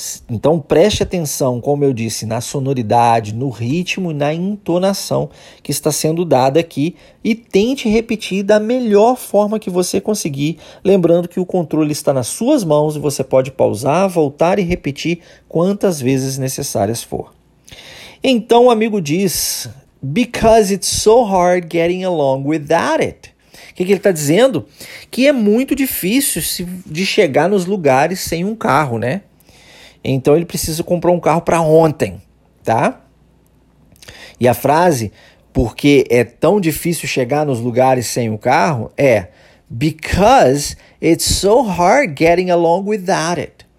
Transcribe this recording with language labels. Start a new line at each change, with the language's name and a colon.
Portuguese: Então preste atenção, como eu disse, na sonoridade, no ritmo e na entonação que está sendo dada aqui e tente repetir da melhor forma que você conseguir, lembrando que o controle está nas suas mãos e você pode pausar, voltar e repetir quantas vezes necessárias for. Então o amigo diz,
English: because it's so hard getting along without it.
Portuguese: O que ele está dizendo? Que é muito difícil de chegar nos lugares sem um carro, né? Então ele precisa comprar um carro para ontem, tá? E a frase, porque é tão difícil chegar nos lugares sem o carro, é
English: because it's so hard getting along without it.